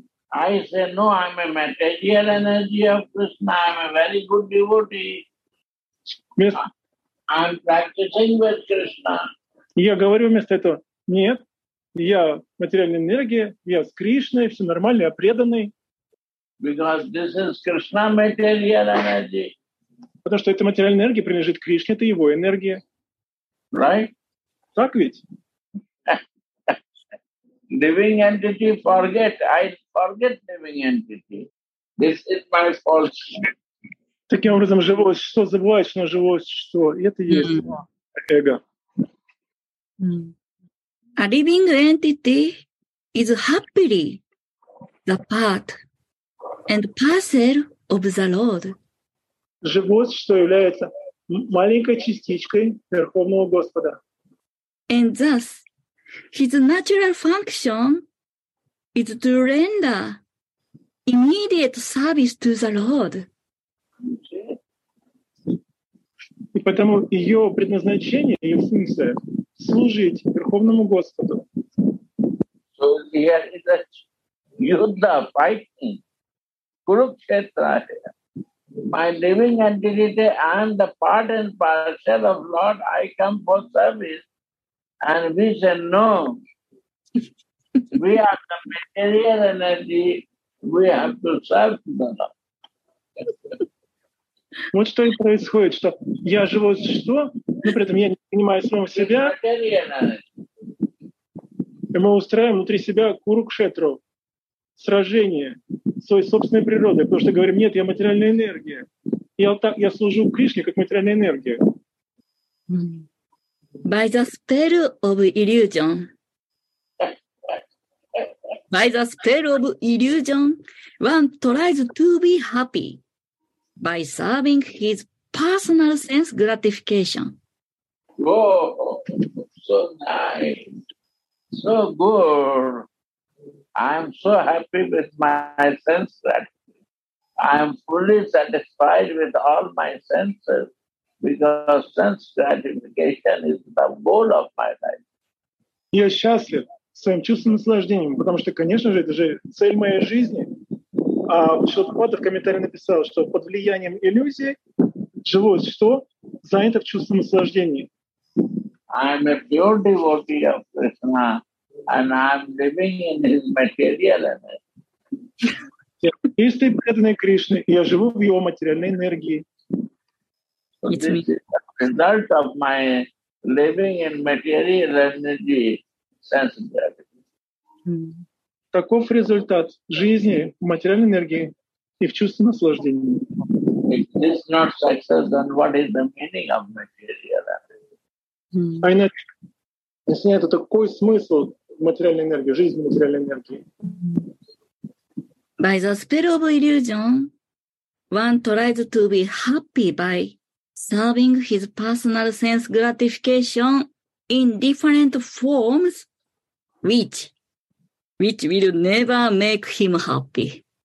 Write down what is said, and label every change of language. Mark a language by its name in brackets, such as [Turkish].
[English] I say, no, I'm a material energy of Krishna. I'm a very good devotee. I'm practicing with Krishna. [Russian] Я говорю вместо этого, нет, я материальная энергия, я с Кришной, все нормально, я преданный. [English] Because this is Krishna material energy. [Russian] Потому что эта материальная энергия принадлежит Кришне, это его энергия. [English] Right? [Russian] Так ведь? [English] Living entity, forget. I forget living entity. This is my false. [Russian] Таким образом, живое существо забывает, что оно живое существо. Это есть эго. [English] A living entity is happily the part and parcel of the Lord. [Russian] Живое существо является маленькой частичкой Верховного Господа. [English] And thus, his natural function is to render immediate service to the Lord. [Russian] И потому ее предназначение, ее функция — служить Верховному Господу. [English] So here is a Yudha fighting. Kurukshetra. My living entity and the part and parcel of Lord, I come for service. And we said, no, we are the material energy, we have to serve the Lord. [Russian] Вот что и происходит, что я живое существо, но при этом я не понимаю самого себя. И мы устраиваем внутри себя курукшетру, сражение своей собственной природы, потому что говорим, нет, я материальная энергия. Я служу Кришне как материальная энергия. [English] By the spell of illusion. By the spell of illusion, one tries to be happy by serving his personal sense gratification. Oh, so nice. So good. I'm so happy with my senses. I'm fully satisfied with all my senses. Because sense gratification is the goal of my life. [Russian] Я счастлив своим чувственным наслаждением, потому что, конечно же, это же цель моей жизни. А Шилпада в комментарии написал, что под влиянием иллюзии живое существо занято в чувственном наслаждении. [English] I'm a pure devotee of Krishna, and I'm living in his material energy. [Russian] Я чистый преданный Кришне, я живу в его материальной энергии. [English] So this is the result of my living in material energy sense gratification. [Russian] Таков результат жизни в материальной энергии и в чувстве наслаждения. [English] If this is not success, then what is the meaning of material energy? [Russian] Если нет, то какой смысл материальной энергии, жизни материальной энергии? [English] By the spell of illusion, one tries to be happy by serving his personal sense gratification in different forms, which will never make him happy.